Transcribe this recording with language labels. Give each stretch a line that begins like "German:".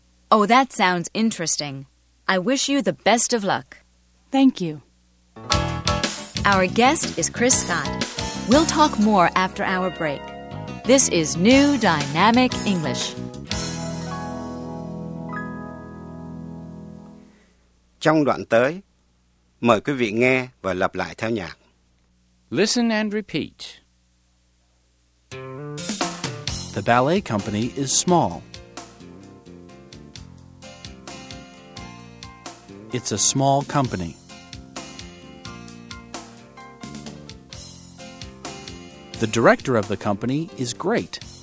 English: Oh, that sounds interesting. I wish you the best of luck. Thank you. Our guest is Chris Scott. We'll talk more after our break. This is New Dynamic English.
Vietnamese: Trong đoạn tới, mời quý vị nghe và lặp lại theo nhạc.
English: Listen and repeat. The ballet company is small. It's a small company. The director of the company is great.